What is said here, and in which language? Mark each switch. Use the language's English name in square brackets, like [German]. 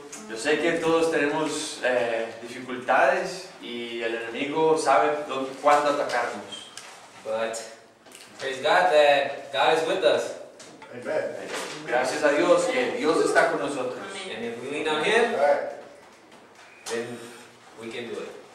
[Spanish] Yo sé que todos tenemos dificultades y el enemigo sabe cuándo atacarnos. [English] But praise God that God is with us. Amen. [Spanish] Gracias a Dios que Dios está con nosotros. Amen. [English] And if we lean on Him, then we can do it.